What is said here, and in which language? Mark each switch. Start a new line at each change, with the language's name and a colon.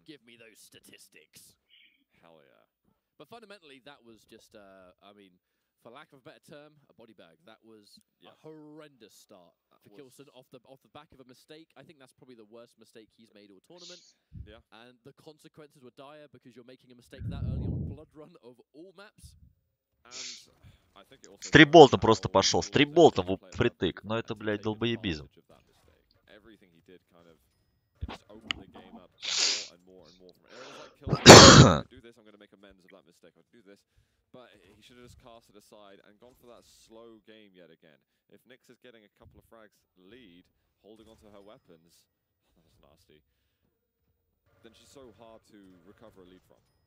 English: Give me those statistics. Hell yeah. But fundamentally, that was just, I mean, For lack of a better term, a body bag. That was a horrendous start for Kilsen off the back of a mistake. I think that's probably the worst mistake he's made all tournament. Yeah. And the consequences were dire because you're making a mistake that early on Blood Run of all maps. And I think it also...
Russian: Стрейболтом просто пошел. Стрейболтом впритык. Но это, блядь, долбоебизм.
English: Everything he did kind of... It's opened the game up more and more. Everyone's like, Kilsen, do this, I'm going to make amends of that mistake. I'll do this. But he should have just cast it aside and gone for that slow game yet again. If Nyx is getting a couple of frags lead, holding onto her weapons, that's nasty, then she's so hard to recover a lead from.